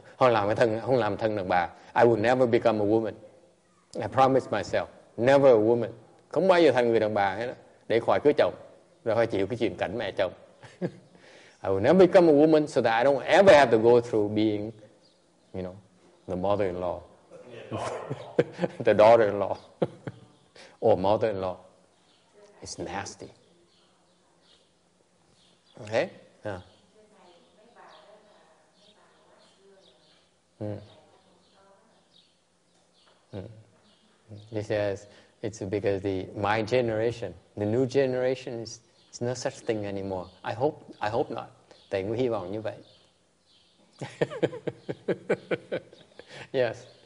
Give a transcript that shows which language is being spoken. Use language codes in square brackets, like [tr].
[vi] Không làm thân đàn bà. [en] I will never become a woman. I promise myself, never a woman. [vi] Không bao giờ thành người đàn bà hết. Để khỏi cưới chồng, rồi chịu cái chuyện cảnh mẹ chồng. [en] I will never become a woman so that I don't ever have to go through being, you know, the mother-in-law, the daughter-in-law, or mother-in-law. It's nasty. Okay? Yeah. He says it's because my generation, the new generation, is no such thing anymore. I hope not. [vi] Thầy cũng hy vọng như vậy. [en] Yes.